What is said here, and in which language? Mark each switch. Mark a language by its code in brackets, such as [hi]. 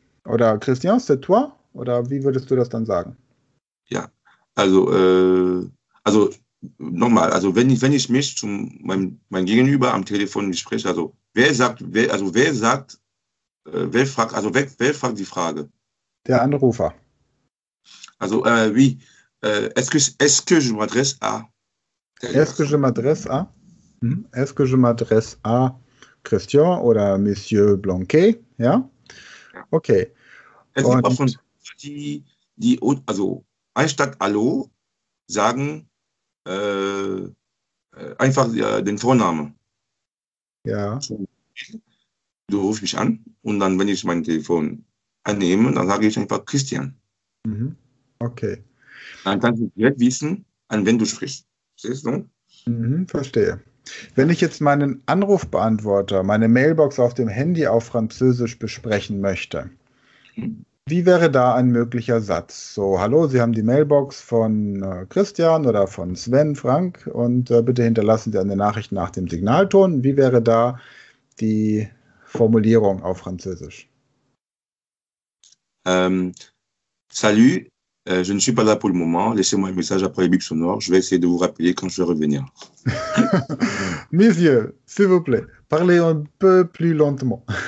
[de] Oder Christian, [fr] c'est toi? [de] Oder wie würdest du das dann sagen? Ja, also nochmal, also wenn ich mich zum mein Gegenüber am Telefon spreche, also wer fragt die Frage? Der Anrufer. Also wie [fr] est-ce que je m'adresse à Est-ce que d'ailleurs? je m'adresse à? Est-ce que je m'adresse à Christian oder Monsieur Blanquet? [de] Ja? Okay. Es gibt auch Und von die also anstatt Hallo sagen einfach den Vornamen. ja. Du rufst mich an und dann, wenn ich mein Telefon annehme, dann sage ich einfach Christian. Okay. Dann kannst du direkt wissen, an wen du sprichst. Siehst du? Verstehe. Wenn ich jetzt meinen Anrufbeantworter, meine Mailbox auf dem Handy auf Französisch besprechen möchte, wie wäre da ein möglicher Satz? So, hallo, Sie haben die Mailbox von Christian oder von Sven Frank und bitte hinterlassen Sie eine Nachricht nach dem Signalton. Wie wäre da die Formulierung auf Französisch? [fr] Salut, je ne suis pas là pour le moment. Laissez-moi un message après le bip sonore. Je vais essayer de vous rappeler quand je vais revenir. Monsieur, s'il vous plaît, parlez un peu plus lentement.